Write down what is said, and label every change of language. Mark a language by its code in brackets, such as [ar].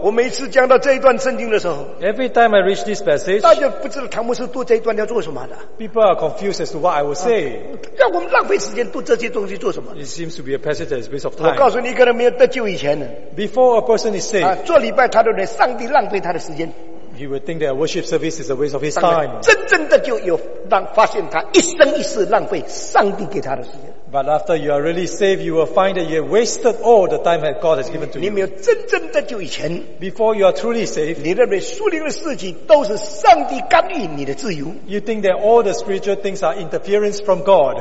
[en] Every time I reach this passage, people are confused as to what I will say. It seems to be a passage that is a waste of time. Before a person is saved, he would think that a worship service is a waste of his time. [zh] 真正的就有让发现他一生一世浪费上帝给他的时间。 [en] But after you are really saved, you will find that you have wasted all the time that God has given to you. [zh] 你没有真正的救以前, [en] before you are truly saved, [zh] 你认为属灵的事情都是上帝干预你的自由, [en] you think that all the spiritual things are interference from God.